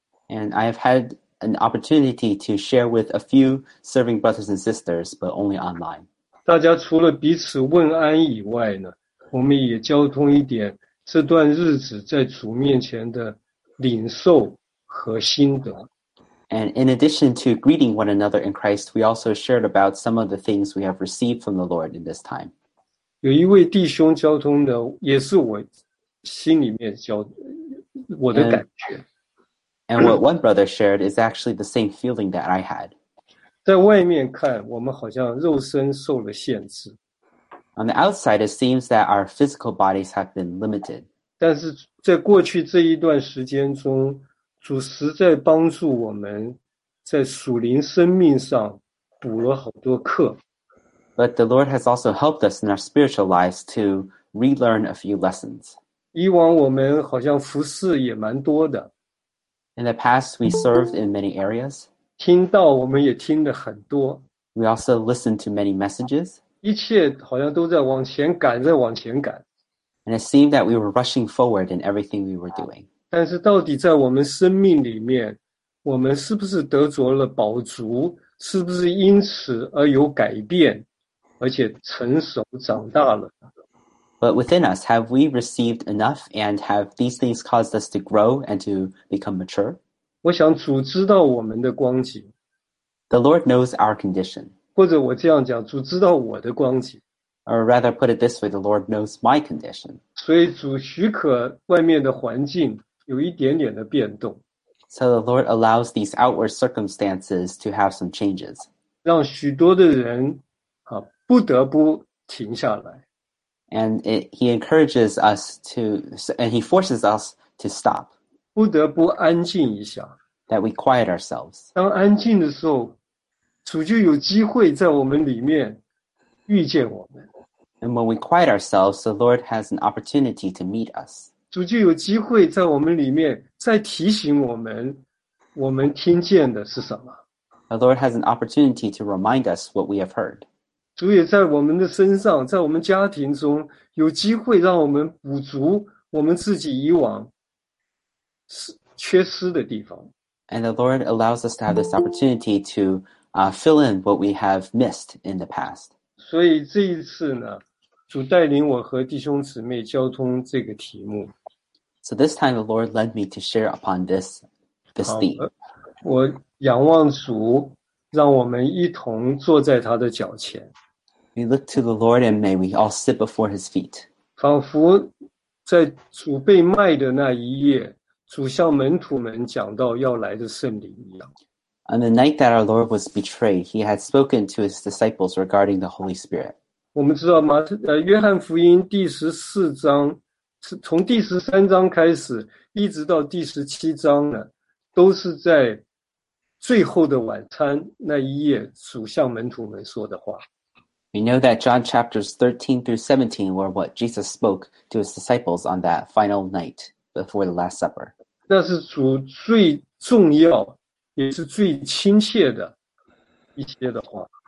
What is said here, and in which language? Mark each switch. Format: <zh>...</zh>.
<en>And I have had an opportunity to share with a few serving brothers and sisters, but only online.</en> <zh>大家除了彼此问安以外呢，我们也交通一点这段日子在主面前的领受和心得。</zh> <en>And in addition to greeting one another in Christ, we also shared about some of the things we have received from the Lord in this time.</en> <zh>有一位弟兄交通的，也是我心里面交我的感觉。</zh> <en>And what one brother shared is actually the same feeling that I had.</en> <zh>在外面看，我们好像肉身受了限制。</zh> <en>On the outside, it seems that our physical bodies have been limited.</en> <zh>但是在过去这一段时间中，主实在帮助我们在属灵生命上补了好多课。</zh> <en>But the Lord has also helped us in our spiritual lives to relearn a few lessons.</en> <zh>以往我们好像服侍也蛮多的。</zh> <en>In the past, we served in many areas.</en> <zh>听到我们也听得很多。</zh> <en>We also listened to many messages.</en> <zh>一切好像都在往前赶，在往前赶。</zh> <en>And it seemed that we were rushing forward in everything we were doing.</en> <zh>但是到底在我们生命里面，我们是不是得着了饱足？是不是因此而有改变，而且成熟长大了？</zh> <en>But within us, have we received enough and have these things caused us to grow and to become mature?</en> <zh>我想主知道我们的光景。</zh> <en>The Lord knows our condition.</en> <zh>或者我这样讲，主知道我的光景。</zh> <en>Or rather put it this way, the Lord knows my condition.</en> <zh>所以主许可外面的环境有一点点的变动。</zh> <en>So the Lord allows these outward circumstances to have some changes.</en> <zh>让许多的人啊不得不停下来。</zh> <en>And he encourages us to, and he forces us to stop.</en> <zh>不得不安静一下。</zh> <en>That we quiet ourselves.</en> <zh>当安静的时候，主就有机会在我们里面遇见我们。</zh> <en>And when we quiet ourselves, the Lord has an opportunity to meet us.</en> <zh>主就有机会在我们里面再提醒我们，我们听见的是什么。</zh> <en>The Lord has an opportunity to remind us what we have heard.</en> <zh>主也在我们的身上，在我们家庭中，有机会让我们补足我们自己以往缺失的地方。</zh> <en>And the Lord allows us to have this opportunity to fill in what we have missed in the past.</en> <zh>所以这一次呢，主带领我和弟兄姊妹交通这个题目。</zh> <en>So this time the Lord led me to share upon this theme.</en> <zh>我仰望主，让我们一同坐在他的脚前。</zh> <en>We look to the Lord and may we all sit before his feet.</en> <zh>仿佛在主被卖的那一夜，主向门徒们讲到要来的圣灵一样。</zh> <en>On the night that our Lord was betrayed, he had spoken to his disciples regarding the Holy Spirit.</en> <zh>我们知道马约翰福音第十四章，从第十三章开始，一直到第十七章呢，都是在最后的晚餐那一夜主向门徒们说的话。</zh> <en>We know that John chapters 13 through 17 were what Jesus spoke to his disciples on that final night before the Last Supper.</en> <zh>那是主最重要也是最亲切的一些的话。</zh>